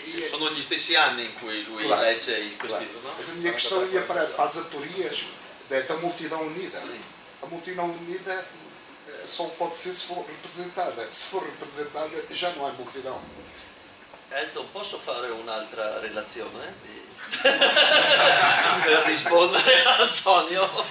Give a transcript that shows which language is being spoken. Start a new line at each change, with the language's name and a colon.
Italian: Sono gli stessi anni in cui lui legge in questo libro, no?
Portuguese: Mas a minha questão ia para as aporias da multidão unida. Sim. A multidão unida só pode ser se for representada. Se for representada, já não há multidão.
Italian: Elton, posso fare un'altra relazione? Per rispondere a Antonio?